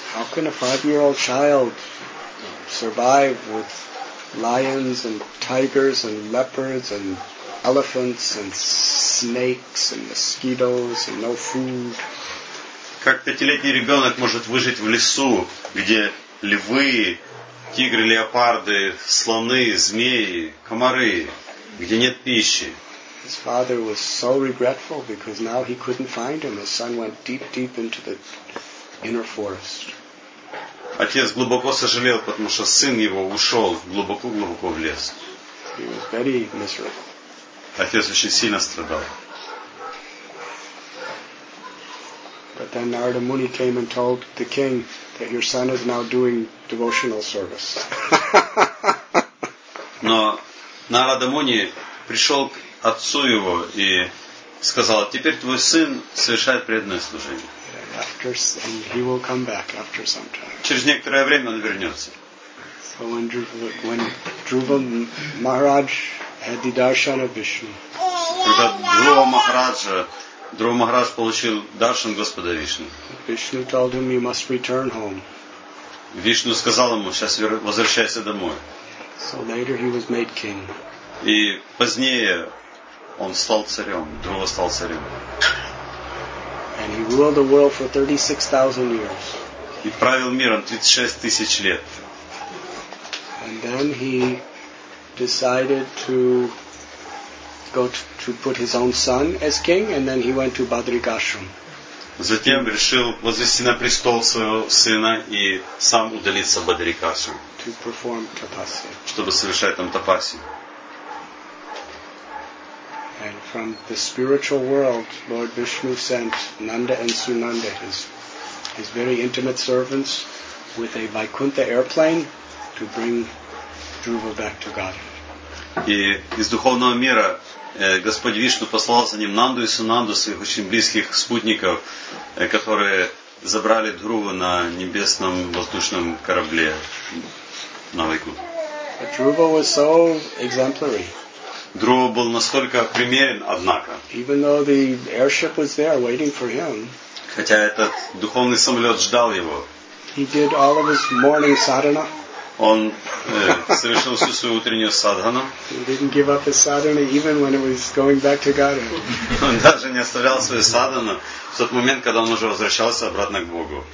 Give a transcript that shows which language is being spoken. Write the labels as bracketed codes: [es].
[en] How can a 5-year-old child survive with lions and tigers and leopards and elephants and snakes and mosquitoes and no food? [ru] Как 5-летний ребенок может выжить в лесу, где львы, тигры, леопарды, слоны, змеи, комары, где нет пищи? [en] His father was so regretful because now he couldn't find him. His son went deep into the inner forest. [ru] Отец глубоко сожалел, потому что сын его ушел глубоко в лес. [en] He was very miserable. [ru] Отец очень сильно страдал. [en] But then Narada Muni came and told the king that your son is now doing devotional service. [ru] Но Narada Muni пришел к отцу его и сказал: теперь твой сын совершает преданное служение. [en] And he will come back after some time. [ru] Через некоторое время он вернется. [en] So when Dhruva Maharaj had the darshan of Vishnu. [ru] Когда Дрова Махарадж получил даршан Господа Вишну. [en] Vishnu told him, you must return home. [ru] Вишну сказал ему, сейчас возвращайся домой. [en] So later he was made king. [ru] И позднее он стал царем, Дрова стал царем. [en] And he ruled the world for 36,000 years. [ru] И правил миром 36 тысяч лет. [en] And then he decided to go to put his own son as king, and then he went to Badrikashram. [ru] Затем решил возвести на престол своего сына и сам удалиться в Бадрикашрам. [en] To perform tapasya. [ru] Чтобы совершать там тапасию. [en] And from the spiritual world, Lord Vishnu sent Nanda and Sunanda, his very intimate servants, with a Vaikuntha airplane to bring Dhruva back to God. [ru] И из духовного мира Господь Вишну послал за ним Нанду и Сунанду, своих очень близких спутников, которые забрали Дхруву на небесном воздушном корабле на Вайкунте. [en] Dhruva was so exemplary. [ru] Дрова был настолько примерен, однако. [en] Even though the airship was there waiting for him. [ru] Хотя этот духовный самолет ждал его. [en] He did all of his morning sadhana. [ru] Он совершил всю свою утреннюю садхану. [en] He didn't give up his sadhana even when it was going back to God. [ru] Он даже не оставлял свою садхану в тот момент, когда он уже возвращался обратно к Богу.